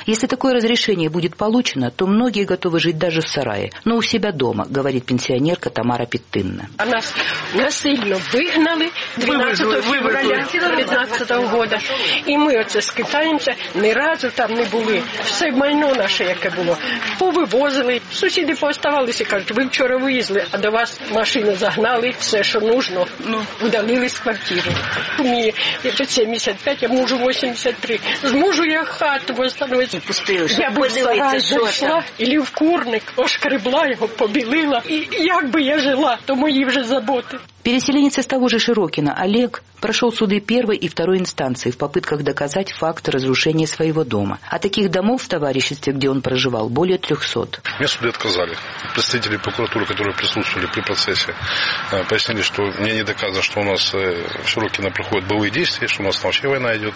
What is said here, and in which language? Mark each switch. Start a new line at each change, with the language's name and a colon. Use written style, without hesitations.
Russian: Если такое разрешение будет получено, то многие готовы жить даже в сарае, но у себя дома, говорит пенсионерка Тамара Петынна. А нас насильно выгнали 12 февраля 2015 года. И мы оце скитаемся, ни разу там не были.
Ukrainian: Все майно наше, яке було. Повивозили, сусіди пооставалися, кажуть, ви вчора виїзли, а до вас машину загнали, все, що нужно, удалили з квартири. Мені 75, я мужу 83, зможу я хату встановити. Я б зайшла, ілі в курник, ошкребла його, побілила, і як би я жила, то мої вже заботи.
Russian: Переселенец из того же Широкино, Олег, прошел суды первой и второй инстанции в попытках доказать факт разрушения своего дома. А таких домов в товариществе, где он проживал, более 300. Мне суды отказали. Представители прокуратуры, которые присутствовали при процессе, пояснили, что мне не доказано, что у нас в Широкино проходят боевые действия, что у нас вообще война идет.